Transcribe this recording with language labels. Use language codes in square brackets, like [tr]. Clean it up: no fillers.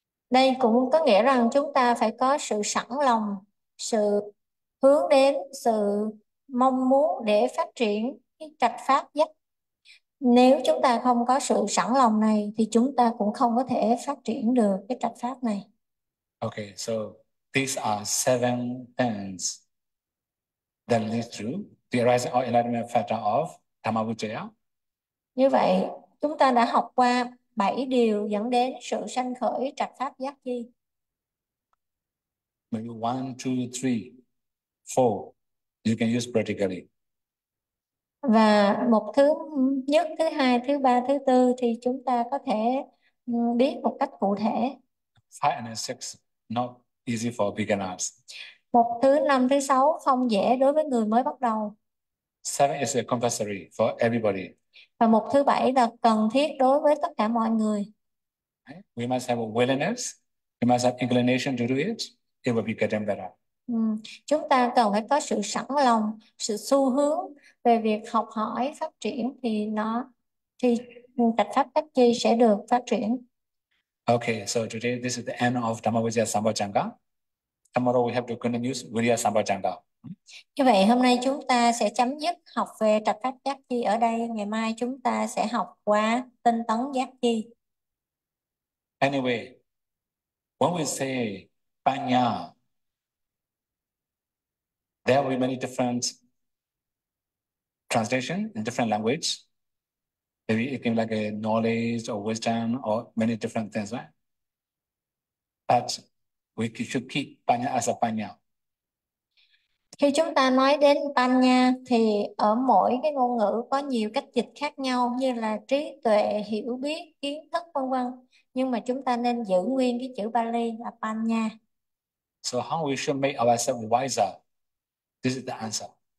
[vi] Đây cũng có nghĩa rằng chúng ta phải có sự sẵn lòng, sự hướng đến, sự mong muốn để phát triển cái trạch pháp nhất. Nếu chúng ta không có sự sẵn lòng này thì chúng ta cũng không có thể phát triển được cái trạch pháp này. [en] Okay, so these are seven things that lead to the arising or enlightenment factor of Dhammavijaya. [vi] Như vậy, chúng ta đã học qua 7 điều dẫn đến sự sanh khởi trạch pháp giác chi. [en] Maybe one, two, three, four. You can use practically. [vi] Và một thứ nhất, thứ hai, thứ ba, thứ tư thì chúng ta có thể biết một cách cụ thể. [en] Five and six, not easy for beginners. [vi] Một thứ năm, thứ sáu không dễ đối với người mới bắt đầu. [en] Seven is a compulsory for everybody. [vi] Và một thứ bảy là cần thiết đối với tất cả mọi người. [en] Right? We must have a willingness. We must have inclination to do it. It will be getting better. [vi] Chúng ta cần phải có sự sẵn lòng, sự xu hướng về việc học hỏi, phát triển thì trạch pháp các chi sẽ được phát triển. [en] Okay, so today this is the end of Dhammavijaya Sambhajanga. Tomorrow we have to continue Virya Sambhajanga. [vi] Như vậy hôm nay chúng ta sẽ chấm dứt học về trạch pháp giác chi ở đây. Ngày mai chúng ta sẽ học qua tinh tấn giác chi. [en] Anyway, when we say Panya, there will be many different translation in different language. Maybe it can be like a knowledge or wisdom or many different things, right? But we should keep Panya as a Panya. [vi] Khi chúng ta nói đến Panya thì ở mỗi cái ngôn ngữ có nhiều cách dịch khác nhau như là trí tuệ, hiểu biết, kiến thức vân vân, nhưng mà chúng ta nên giữ nguyên cái chữ Pali là Panya. [en] So how we should make ourselves wiser? This is the answer.